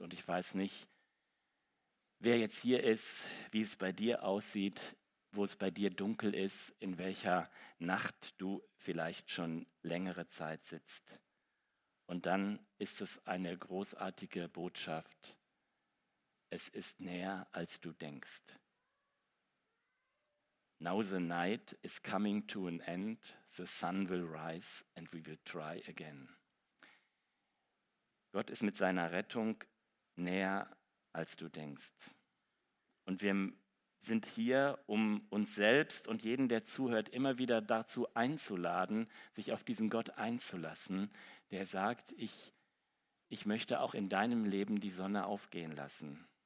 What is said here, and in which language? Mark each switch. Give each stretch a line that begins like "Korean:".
German: Und ich weiß nicht, wer jetzt hier ist, wie es bei dir aussieht, wo es bei dir dunkel ist, in welcher Nacht du vielleicht schon längere Zeit sitzt. Und dann ist es eine großartige Botschaft. Es ist näher, als du denkst.
English: Now the night is coming to an end. The sun will rise and we will try again.
German: Gott ist mit seiner Rettung näher, als du denkst. Und wir sind hier, um uns selbst und jeden, der zuhört, immer wieder dazu einzuladen, sich auf diesen Gott einzulassen, der sagt, ich möchte auch in deinem Leben die Sonne aufgehen lassen.